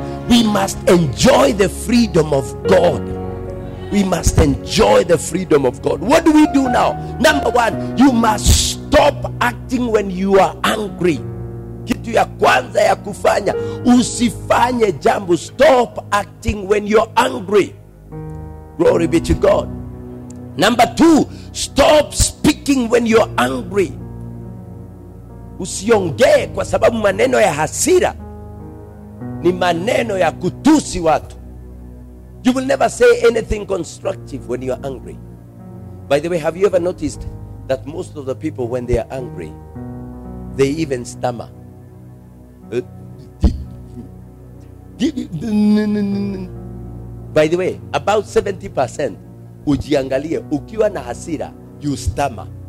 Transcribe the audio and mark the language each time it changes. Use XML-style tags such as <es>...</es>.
<en>We must enjoy the freedom of God. We must enjoy the freedom of God. What do we do now? Number one, you must stop acting when you are angry.</en> <sw>Kitu ya kwanza ya kufanya, usifanye jambo.</sw> <en>Stop acting when you're angry. Glory be to God. Number two, stop speaking when you're angry.</en> <sw>Usiongee kwa sababu maneno ya hasira ni maneno ya kutusi watu.</sw> <en>You will never say anything constructive when you are angry. By the way, have you ever noticed that most of the people, when they are angry, they even stammer? By the way, about 70%,</en> <sw>ujiangalie, ukiwa na hasira,</sw> <en>you stammer.</en>